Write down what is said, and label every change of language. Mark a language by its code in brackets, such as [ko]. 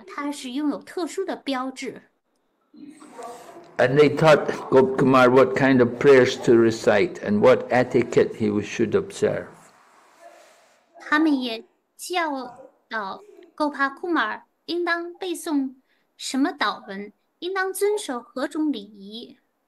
[zh] 有一些至尊主的心怀怜悯的陪同者，陪同着Gopakumar的人，就对他心怀怜悯，告诉他，主Narayana他是拥有特殊的标志。 [en] And they taught Gop Kumar what kind of prayers to recite and what etiquette he should observe. [zh] 他们也教导Gopakumar应当背诵什么祷文，应当遵守何种礼仪。